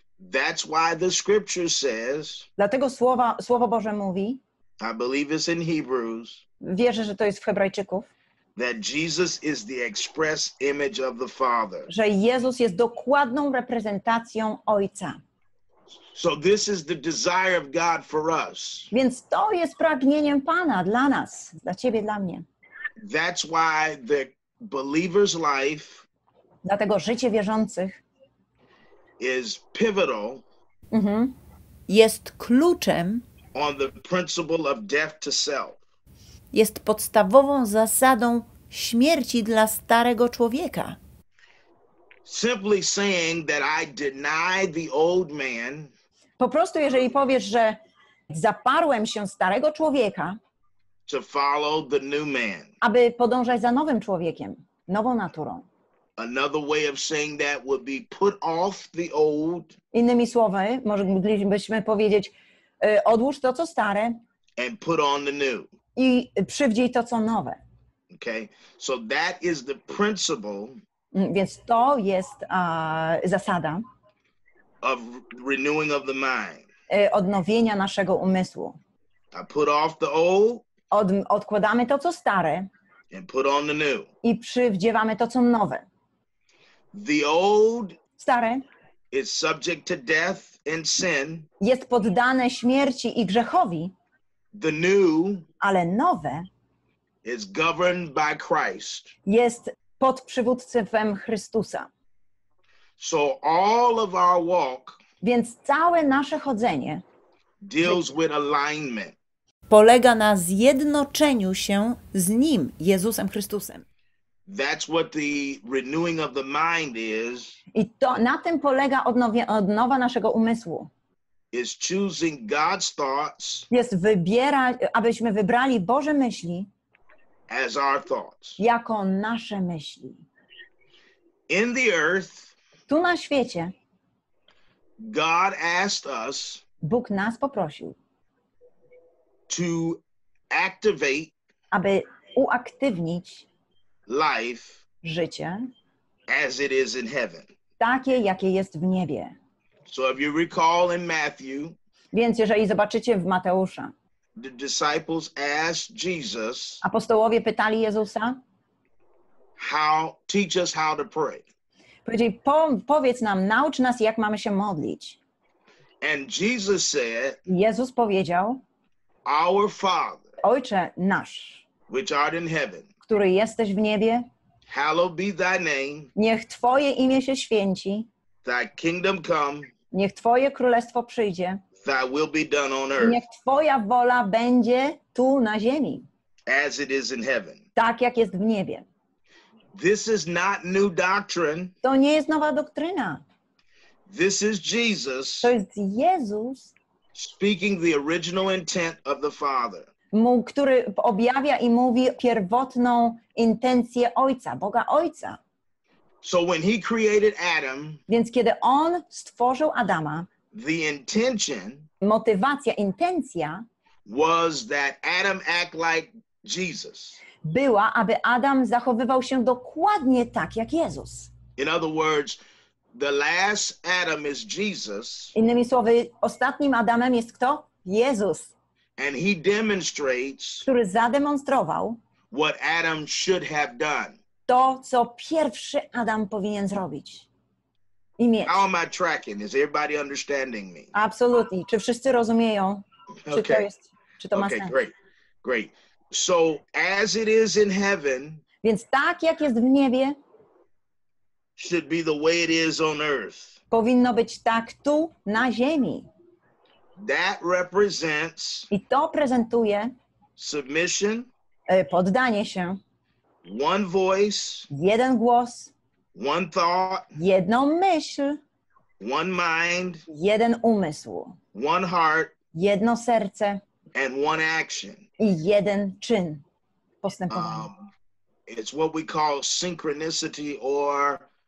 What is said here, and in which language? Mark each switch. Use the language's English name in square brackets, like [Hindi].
[English] That's why the scripture says. [Polish] Dlatego słowo Boże mówi. [English] I believe it's in Hebrews. [Polish] Wierzę, że to jest w Hebrajczyków. [English] That Jesus is the express image of the Father. [Polish] Że Jezus jest dokładną reprezentacją Ojca. [English] So this is the desire of God for us. [Polish] Więc to jest pragnieniem Pana dla nas, dla ciebie, dla mnie. [English] That's why the believer's life, [Polish] dlatego życie wierzących, [English] is pivotal, [Polish] jest kluczem, [English] on the principle of death to self, [Polish] jest podstawową zasadą śmierci dla starego człowieka. [English] Simply saying that I deny the old man, [Polish] po prostu jeżeli powiesz, że zaparłem się starego człowieka, [English] to follow the new man. [Polish] Aby podążać za nowym człowiekiem, nową naturą. [English] Another way of saying that would be put off the old. [Polish] Innymi słowy, moglibyśmy powiedzieć, odłóż to, co stare. [English] And put on the new. [Polish] I przywdziej to, co nowe. [English] Okay, so that is the principle. [Polish] Więc to jest zasada. [English] Of renewing of the mind. [Polish] Odnowienia naszego umysłu. [English] I put off the old. [Polish] Odkładamy to, co stare, [English] and put on the new. [Polish] I przywdziewamy to, co nowe. [English] The old [Polish] stare [English] is subject to death and sin. [Polish] Jest poddane śmierci i grzechowi. [English] The new, [Polish] ale nowe, [English] is governed by Christ. [Polish] Jest pod przywództwem Chrystusa. [English] So all of our walk, [Polish] więc całe nasze chodzenie, [English] deals with alignment. [Polish] Polega na zjednoczeniu się z Nim, Jezusem Chrystusem. [English] That's what the renewing of the mind is. [Polish] I to na tym polega odnowa naszego umysłu. [English] Is choosing God's thoughts. [Polish] Jest abyśmy wybrali Boże myśli. [English] As our thoughts. [Polish] Jako nasze myśli. [English] In the earth. [Polish] Tu na świecie. [English] God asked us. [Polish] Bóg nas poprosił. [English] To activate, [Polish] aby uaktywnić [English] life, [Polish] życie, [English] as it is in heaven, [Polish] takie jakie jest w niebie. [English] So if you recall in Matthew, [Polish] więc jeżeli zobaczycie w Mateusza, [English] the disciples asked Jesus, [Polish] apostołowie pytali Jezusa, [English] how teach us how to pray. [Polish] Powiedzieli, powiedz nam, naucz nas, jak mamy się modlić. [English] And Jesus said, [Polish] Jezus powiedział. [English] Our Father, [Polish] Ojcze nasz, [English] which art in heaven, [Polish] który jesteś w niebie, [English] hallowed be thy name, [Polish] niech Twoje imię się święci, [English] thy kingdom come, [Polish] niech Twoje królestwo przyjdzie, [English] thy will be done on earth, [Polish] niech Twoja wola będzie tu na ziemi, [English] as it is in heaven, [Polish] tak jak jest w niebie. [English] This is not new doctrine. [Polish] To nie jest nowa doktryna. [English] This is Jesus. [Polish] To jest Jezus. [English] speaking the original intent of the Father. [Polish] Który objawia i mówi pierwotną intencję Ojca, Boga Ojca. [English] So when he created Adam, [Polish] więc kiedy on stworzył Adama, [English] the intention, [Polish] motywacja, intencja, [English] was that Adam act like Jesus. [Polish] Była, aby Adam zachowywał się dokładnie tak jak Jezus. [English] In other words, the last Adam is Jesus. [Polish] Innymi słowy, ostatnim Adamem jest kto? Jezus. [English] And he demonstrates, [Polish] który zademonstrował, [English] what Adam should have done. [Polish] To, co pierwszy Adam powinien zrobić i mieć. [English] How am I tracking? Is everybody understanding me? [Polish] Absolutnie. Czy wszyscy rozumieją? Czy [English] okay. [Polish] To jest, czy to [English] okay, [Polish] ma sens? [English] Great, great. So as it is in heaven, [Polish] więc tak jak jest w niebie, [English] should be the way it is on earth. [Polish] Powinno być tak tu na ziemi. [English] That represents, [Polish] i to prezentuje, [English] submission, [Polish] poddanie się. [English] One voice, [Polish] jeden głos. [English] One thought, [Polish] jedną myśl. [English] One mind, [Polish] jeden umysł. [English] One heart, [Polish] jedno serce. [English] And one action, [Polish] i jeden czyn postępowania. [English] It's what we call synchronicity or